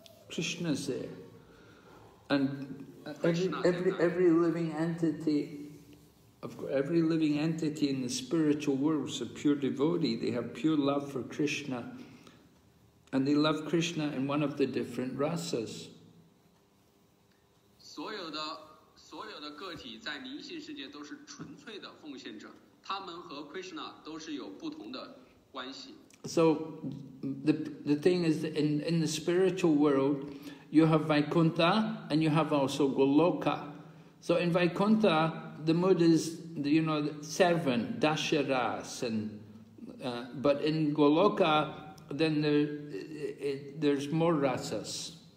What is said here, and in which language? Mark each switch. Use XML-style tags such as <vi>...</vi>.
<en>Krishna is there, and every living entity, of course, every living entity in the spiritual world is a pure devotee. They have pure love for Krishna, and they love Krishna in one of the different rasas.</en> <zh>所有的个体在灵性世界都是纯粹的奉献者，他们和 Krishna 都是有不同的关系。</zh> <en>So the thing is that in the spiritual world, you have Vaikuntha and you have also Goloka. So in Vaikuntha, the mood is, you know, servant, dasharas, but in Goloka, then there's more rasas.</en>